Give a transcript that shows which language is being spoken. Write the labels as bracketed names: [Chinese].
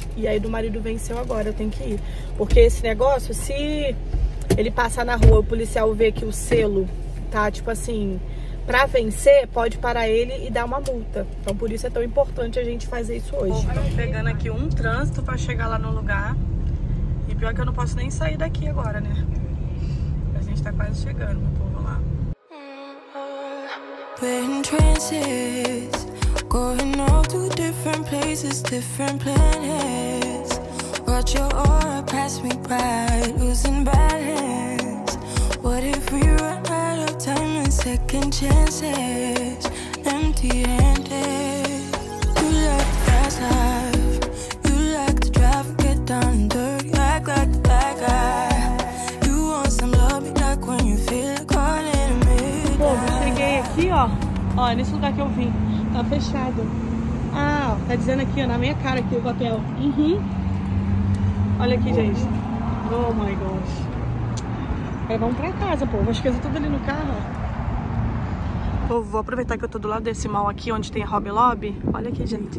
[Portuguese] E aí do marido venceu agora, eu tenho que ir. Porque esse negócio, se ele passar na rua, o policial ver que o selo tá, tipo assim, pra vencer, pode parar ele e dar uma multa. Então por isso é tão importante a gente fazer isso hoje. Estamos pegando aqui um trânsito pra chegar lá no lugar. E pior que eu não posso nem sair daqui agora, né? A gente tá quase chegando, então vamos lá. [English] Been transits, going off to different places, different planets. Watch your aura pass me by, losing balance. What if we run out of time and second chances? Empty handed. You like the fast life, you like to drive and get down and dirty. Act like the bad guy. You want some love, be like when you feel like calling me. [Portuguese] Pô, cheguei aqui, ó. Ó, nesse lugar que eu vim. Tá fechado. Ah, ó, tá dizendo aqui, ó, na minha cara aqui o papel. Uhum. Olha aqui, gente. [English] Oh my gosh. [Portuguese] Aí vamos pra casa, pô. Vou esquecer tudo ali no carro, ó. Pô, vou aproveitar que eu tô do lado desse mall aqui, onde tem a Hobby Lobby. Olha aqui, gente.